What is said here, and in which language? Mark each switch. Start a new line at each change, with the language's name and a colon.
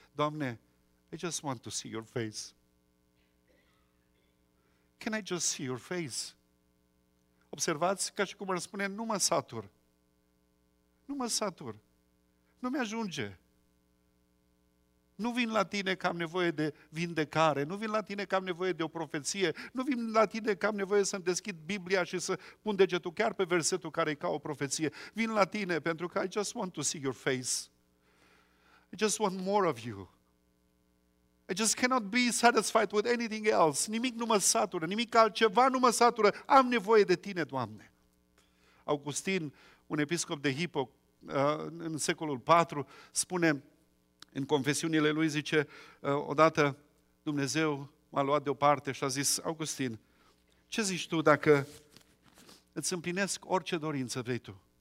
English: Doamne, I just want to see your face. Can I just see your face?
Romanian: Observați, ca și cum ar spune, nu mă satur. Nu mă satur. Nu mi-ajunge. Nu vin la tine că am nevoie de vindecare. Nu vin la tine că am nevoie de o profeție. Nu vin la tine că am nevoie să-mi deschid Biblia și să pun degetul chiar pe versetul care e ca o profeție. Vin la tine pentru că
English: I just want to see your face. I just want more of you. I just cannot be satisfied with anything else.
Romanian: Nimic nu mă satură, nimic altceva nu mă satură. Am nevoie de tine, Doamne. Augustin, un episcop de Hippo, în secolul 4, spune în confesiunile lui, zice, odată Dumnezeu m-a luat deoparte și a zis, Augustin, ce zici tu dacă îți împlinesc orice dorință vrei tu?